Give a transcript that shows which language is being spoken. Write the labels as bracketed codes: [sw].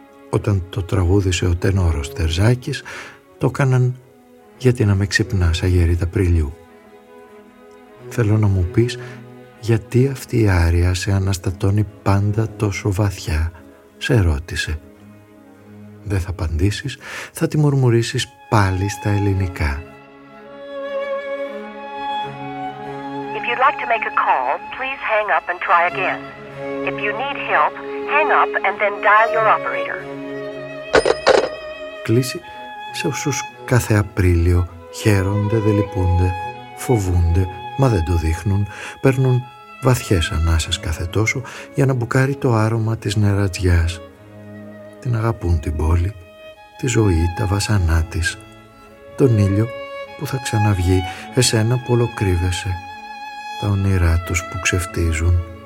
[el] Όταν το τραγούδισε ο τενόρος Τερζάκης, το έκαναν «Γιατί να με ξυπνάς, Αγέρι τ' Απριλιού». Θέλω να μου πεις γιατί αυτή η άρια σε αναστατώνει πάντα τόσο βαθιά, σε ρώτησε. Δεν θα απαντήσεις, θα τη μουρμουρήσεις πάλι στα ελληνικά. [en] If you'd like to make a call, please hang up and try again. If you need help, hang up and then dial your operator. [el] Κλείσει σε όσους κάθε Απρίλιο χαίρονται, δεν λυπούνται, φοβούνται, μα δεν το δείχνουν, παίρνουν βαθιές ανάσες κάθε τόσο για να μπουκάρει το άρωμα της νερατζιάς. Την αγαπούν την πόλη, τη ζωή, τα βασανά της, τον ήλιο που θα ξαναβγεί, εσένα που ολοκρύβεσαι, τα όνειρά τους που ξεφτίζουν.